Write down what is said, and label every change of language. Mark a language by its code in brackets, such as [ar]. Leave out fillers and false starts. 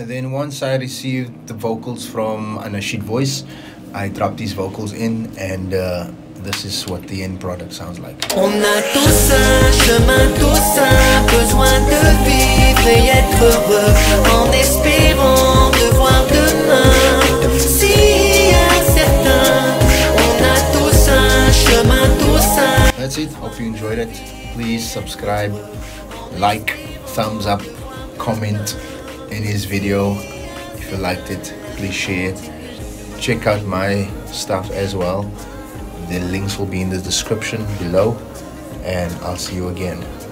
[en] Once I received the vocals from Anasheed voice, I dropped these vocals in, and this is what the end product sounds like. [fr] On a tous un chemin tout simple, besoin de vivre et être heureux, en espérant de voir demain si incertain. On a tous un chemin tout simple. [en] That's it, hope you enjoyed it. Please subscribe, like, thumbs up, comment in his video. If you liked it, please share it. Check out my stuff as well. The links will be in the description below. And I'll see you again.